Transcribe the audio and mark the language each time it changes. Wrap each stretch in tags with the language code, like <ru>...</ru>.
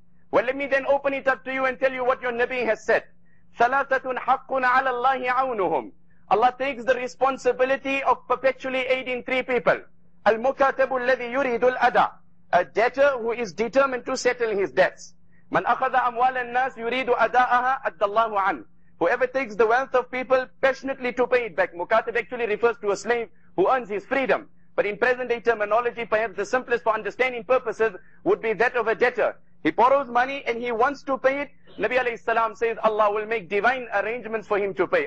<en>Well, let me then open it up to you and tell you what your Nabi has said.</en> <ar>ثَلَاثَةٌ حَقٌّ عَلَى اللَّهِ عَوْنُهُمْ.</ar> <en>Allah takes the responsibility of perpetually aiding three people.</en> <ar>الْمُكَاتَبُ الَّذِي يُرِيدُ الْأَدَى.</ar> <en>A debtor who is determined to settle his debts.</en> <ar>مَنْ أَخَذَ أَمْوَالَ النَّاسِ يُرِيدُ أَدَاءَهَا أَدَّ اللَّهُ عَنْهُ.</ar> <en>Whoever takes the wealth of people passionately to pay it back. Mukatab actually refers to a slave who earns his freedom. But in present-day terminology, perhaps the simplest for understanding purposes would be that of a debtor. He borrows money and he wants to pay it. Nabi alayhi salam says, Allah will make divine arrangements for him to pay.</en>